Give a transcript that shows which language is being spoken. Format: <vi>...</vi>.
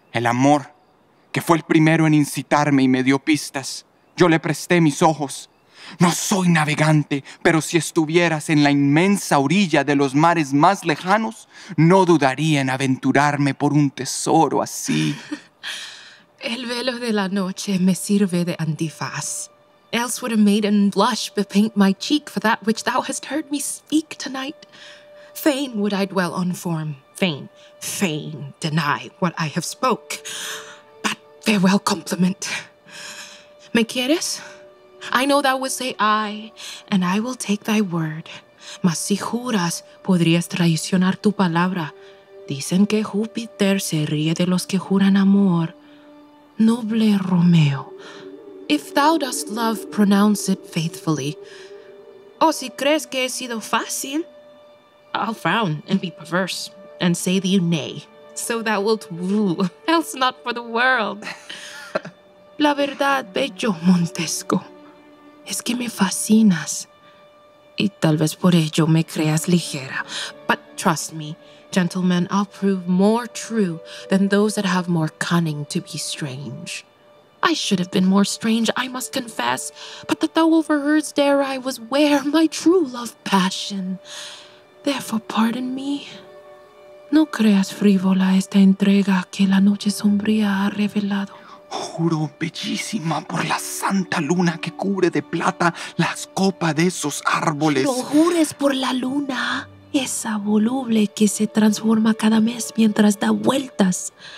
<es>El amor, que fue el primero en incitarme y me dio pistas. Yo le presté mis ojos. No soy navegante, pero si estuvieras en la inmensa orilla de los mares más lejanos, no dudaría en aventurarme por un tesoro así. El velo de la noche me sirve de antifaz.</es> <en>Else would a maiden blush bepaint my cheek for that which thou hast heard me speak tonight. Fain would I dwell on form, fain deny what I have spoke. But farewell, compliment.</en> <es>¿Me quieres?</es> <en>I know thou wouldst say aye, and I will take thy word.</en> <es>Mas si juras, podrías traicionar tu palabra. Dicen que Júpiter se ríe de los que juran amor.</es> <en>Noble Romeo, if thou dost love, pronounce it faithfully.</en> <es>O si crees que he sido fácil,</es> <en>I'll frown and be perverse and say thee nay, so thou wilt woo, else not for the world.</en> <es>La verdad, bello Montesco. Es que me fascinas, y tal vez por ello me creas ligera.</es> <en>But trust me, gentlemen, I'll prove more true than those that have more cunning to be strange. I should have been more strange, I must confess, but that thou overheardst ere I was ware my true love passion. Therefore, pardon me.</en> <es>No creas frívola esta entrega que la noche sombría ha revelado. Juro, bellísima, por la santa luna que cubre de plata las copas de esos árboles. Lo jures por la luna, esa voluble que se transforma cada mes mientras da vueltas.</es>